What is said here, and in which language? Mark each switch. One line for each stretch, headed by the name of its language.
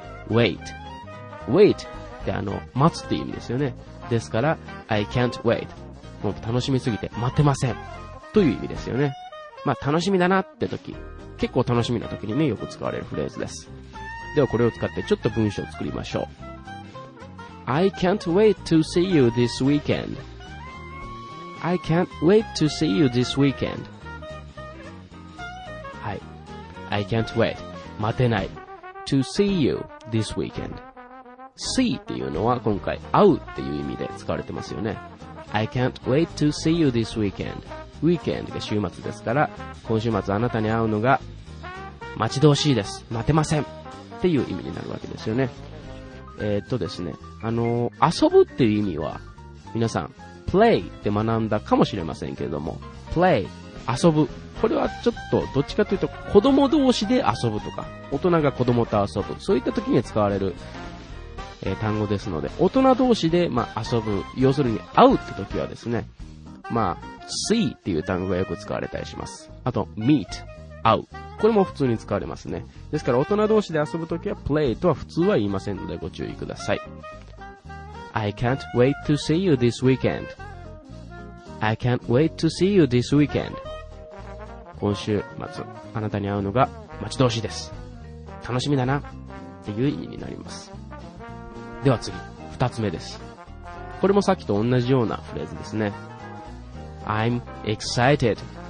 Japanese: waitWait って待つっていう意味ですよね。ですから I can't wait、 もう楽しみすぎて待てませんという意味ですよね。まあ楽しみだなって時、結構楽しみな時にね、よく使われるフレーズです。ではこれを使ってちょっと文章を作りましょう。
English: I can't wait to see you this weekend。 I can't wait to see you this weekend。
Japanese: はい、
English: I can't wait、
Japanese: 待てない。
English: To see you this weekendSee
Japanese: っていうのは今回会うっていう意味で使われてますよね。
English: I can't wait to see you this weekend。
Japanese: Weekend が週末ですから、今週末あなたに会うのが待ち遠しいです、待てませんっていう意味になるわけですよね。ですね、遊ぶっていう意味は皆さん play って学んだかもしれませんけれども、 play、 遊ぶ、これはちょっとどっちかというと子供同士で遊ぶとか、大人が子供と遊ぶ、そういった時に使われる単語ですので、大人同士でまあ遊ぶ、要するに会うって時はですね、まあ see っていう単語がよく使われたりします。あと meet、 会う、これも普通に使われますね。ですから大人同士で遊ぶ時は play とは普通は言いませんので、ご注意ください。
English: I can't wait to see you this weekend。 I can't wait to see you this weekend。
Japanese: 今週末あなたに会うのが待ち遠しいです、楽しみだなっていう意味になります。では次、2つ目です。これもさっきと同じようなフレーズですね。
English: I'm excited。